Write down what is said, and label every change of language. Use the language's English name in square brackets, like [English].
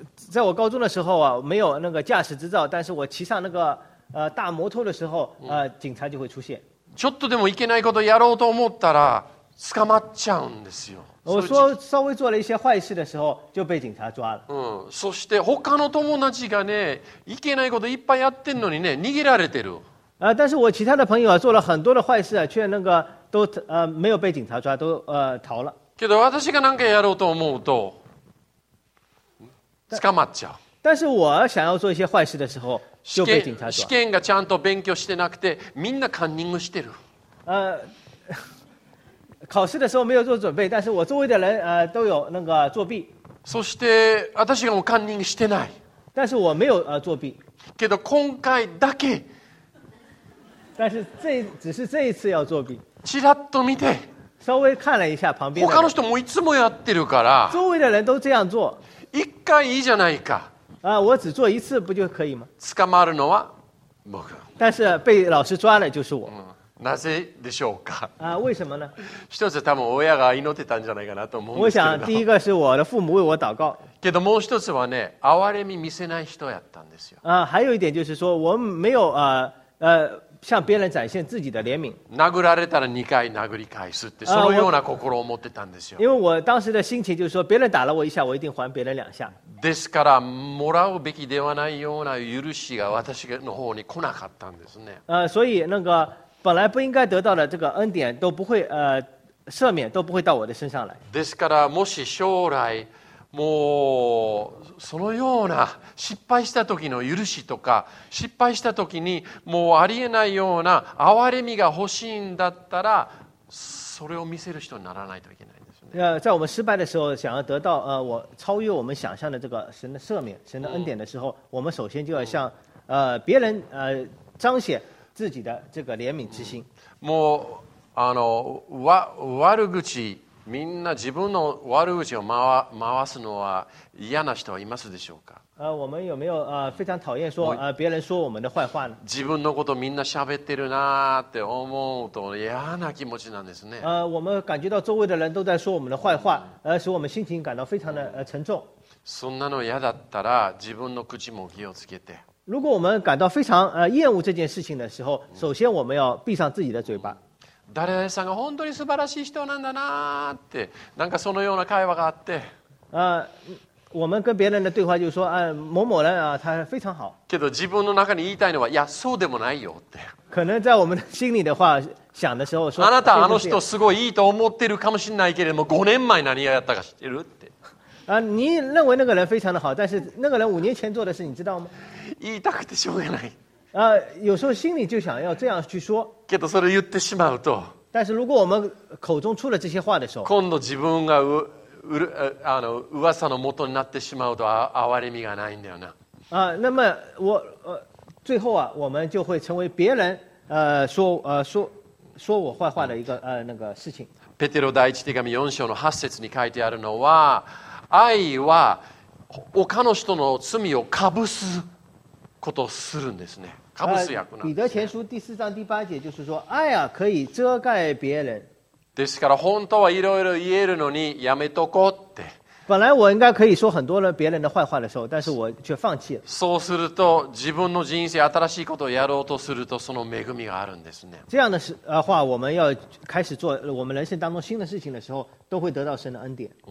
[Chinese] 在我高中的时候啊，没有那个驾驶执照，但是我骑上那个大摩托的时候，警察就会出现。 [Japanese] ちょっとでもいけないことやろうと思ったら。捕まっちゃうんですよ。 [Chinese] 我说稍微做了一些坏事的时候就被警察抓了。 [Japanese] そして他の友達がね、いけないこといっぱいやってんのにね、逃げられてる。 [Chinese] 但是我其他的朋友啊，做了很多的坏事啊，却那个都没有被警察抓，都逃了。 [Japanese] けど私が何かやろうと思うと捕まっちゃう。 [Chinese] 但是我想要做一些坏事的时候就被警察抓。 [Japanese] 試験がちゃんと勉強してなくてみんなカンニングしてる。 [Chinese] 考试的时候没有做准备，但是我周围的人都有那个作弊。 [Japanese] そして私がもうカンニングしてない。 [Chinese] 但是我没有作弊。 [Japanese] けど今回だけ。 [Chinese] 但是这只是这一次要作弊。 [Japanese] ちらっと見て。 [Chinese] 稍微看了一下旁边。 [Japanese] 他の人もいつもやってるから。 [Chinese] 周围的人都这样做。 [Japanese] 一回いいじゃないか。 [Chinese] 我只做一次不就可以吗？ [Japanese] 捕まるのは僕。 [Chinese] 但是被老师抓了就是我。 [Japanese] なぜでしょうか。 [Chinese] 为什么呢？ [Japanese] 一つ多分親が祈ってたんじゃないかなと思うんですけど。 [Chinese] 我想第一个是我的父母为我祷告。 [Japanese] けどもう一つはね、憐れみ見せない人やったんですよ。 [Chinese] 还有一点就是说，我没有向别人展现自己的怜悯。 [Japanese] 殴られたら二回殴り返すってそのような心を持ってたんですよ。 [Chinese] 因为我当时的心情就是说，别人打了我一下，我一定还别人两下。 [Japanese] ですからもらうべきではないような許しが私の方に来なかったんですね。 [Chinese] 所以那个。本来不应该得到的这个恩典都不会赦免都不会到我的身上来。 [Japanese] ですからもし将来もうそのような失敗した時の許しとか失敗した時にもうありえないような憐れみが欲しいんだったらそれを見せる人にならないといけないですね。 [Chinese] 在我们失败的时候想要得到我超越我们想象的这个神的赦免神的恩典的时候我们首先就要向别人彰显自己的这个怜悯之心。 [Japanese] もう悪口みんな自分の悪口を 回すのは嫌な人はいますでしょうか。 [Chinese] 我们有没有非常讨厌说别人说我们的坏话呢？ [Japanese] 自分のことみんな喋ってるなって思うと嫌な気持ちなんですね。 [Chinese] 我们感觉到周围的人都在说我们的坏话，使我们心情感到非常的沉重。 [Japanese] そんなの嫌だったら自分の口も気をつけて。 [Chinese] 如果我们感到非常厌恶这件事情的时候，首先我们要闭上自己的嘴巴。 [Japanese] 誰々さんが本当に素晴らしい人なんだなって、なんかそのような会話があって。 [Chinese] 我们跟别人的对话就是说，某某人他非常好。 [Japanese] けど自分の中に言いたいのは、いやそうでもないよって。 [Chinese] 可能在我们心里的话想的时候说 [Japanese] あなたあの人すごいいいと思ってるかもしれないけれども5年前何やったか知ってるって [Chinese] 你认为那个人非常的好但是那个人五年前做的事你知道吗 [Japanese] 言いたくてしょうがない [Chinese] 有时候心里就想要这样去说 [Japanese] けどそれ言ってしまうと [Chinese] 但是如果我们口中出了这些话的时候 [Japanese] 今度自分があの噂の元になってしまうと哀れみがないんだよな [Chinese] 那么我最后啊我们就会成为别人说我坏话的一个那个事情 [Japanese] ペテロ第一手紙4章の8節に書いてあるのは愛は他の人の罪をかぶすことをするんですね。かぶす役なんですね。 [Chinese] 彼得前書第四章第八節就是说 [Japanese] 愛は [Chinese] 可以遮蓋別人。 [Japanese] ですから本当はいろいろ言えるのにやめとこうって。 [Chinese] 本来我应该可以说很多人别人的坏话的时候，但是我却放弃了。 [Japanese] そうすると自分の人生新しいことをやろうとするとその恵みがあるんですね。 [Chinese] 这样的话，我们要开始做我们人生当中新的事情的时候，都会得到神的恩典。